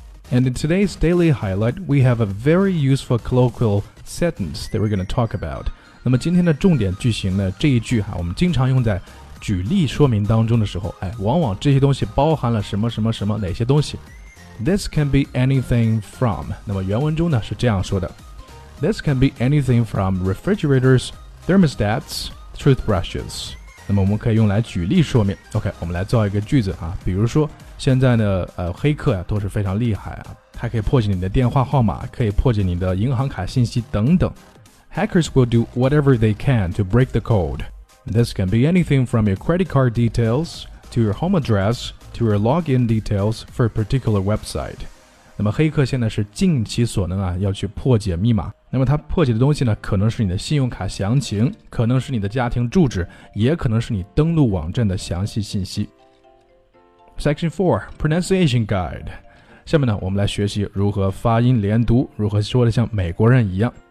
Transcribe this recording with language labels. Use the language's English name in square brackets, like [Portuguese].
[English] And in today's daily highlight， we have a very useful colloquial sentence that we're going to talk about。 [Chinese] 那么今天的重点句型呢，这一句哈，我们经常用在举例说明当中的时候，哎，往往这些东西包含了什么什么什么，哪些东西。 [English] This can be anything from， [Chinese] 那么原文中呢是这样说的。 [English] This can be anything from refrigerators, thermostats, toothbrushes。 [Chinese] 那么我们可以用来举例说明。OK， 我们来造一个句子啊，比如说现在呢黑客啊都是非常厉害啊，它可以破解你的电话号码，可以破解你的银行卡信息等等。 [English] Hackers will do whatever they can to break the code. This can be anything from your credit card details to your home address to your login details for a particular website. [Chinese] 那么黑客现在是尽其所能啊要去破解密码，那么它破解的东西呢，可能是你的信用卡详情，可能是你的家庭住址，也可能是你登录网站的详细信息。 [English] Section 4 Pronunciation Guide。 [Chinese] 下面呢我们来学习如何发音连读，如何说的像美国人一样。